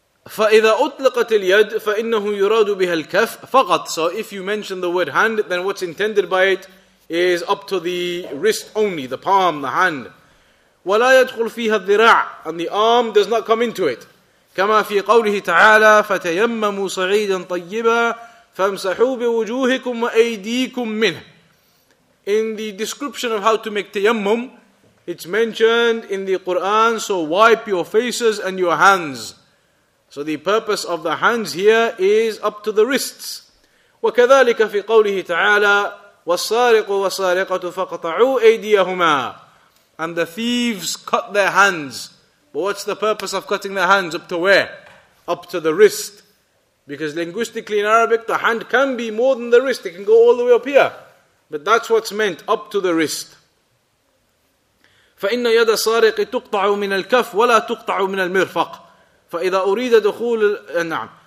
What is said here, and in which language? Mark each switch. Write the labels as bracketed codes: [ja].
[ar] فَإِذَا أُطْلِقَتِ الْيَدِ فَإِنَّهُ يُرَادُ بِهَا الْكَفْ فَقَطْ. [en] So if you mention the word hand, then what's intended by it is up to the wrist only, the palm, the hand. [ar] وَلَا يَدْخُلْ فِيهَا الذِّرَاعِ. [en] And the arm does not come into it. [ar] كما في قوله تعالى فتيمموا صعيدا طيبا فامسحوا بوجوهكم وأيديكم منه. [en] In the description of how to make tayammum, it's mentioned in the Quran, so wipe your faces and your hands. So the purpose of the hands here is up to the wrists. [ar] وكذلك في قوله تعالى والسارق والسارقة فقطعوا أيديهما. [en] And the thieves cut their hands. But what's the purpose of cutting the hands? Up to where? Up to the wrist. Because linguistically in Arabic, the hand can be more than the wrist. It can go all the way up here. But that's what's meant, up to the wrist. [ar] فَإِنَّ يَدَ صَارِقِ تُقْطَعُ مِنَ الْكَفِ وَلَا تُقْطَعُ مِنَ الْمِرْفَقِ فَإِذَا أُرِيدَ دُخُولُ النَّعْمِ.